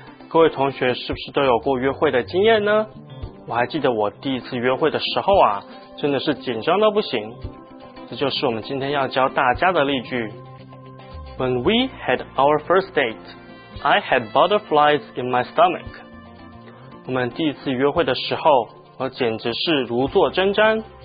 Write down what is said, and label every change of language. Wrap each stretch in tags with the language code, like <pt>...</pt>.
<zh>各位同学是不是都有过约会的经验呢？我还记得我第一次约会的时候啊，真的是紧张到不行。这就是我们今天要教大家的例句。</zh> <en>When we had our first date, I had butterflies in my stomach.</en> <zh>我们第一次约会的时候，我简直是如坐针毡。</zh>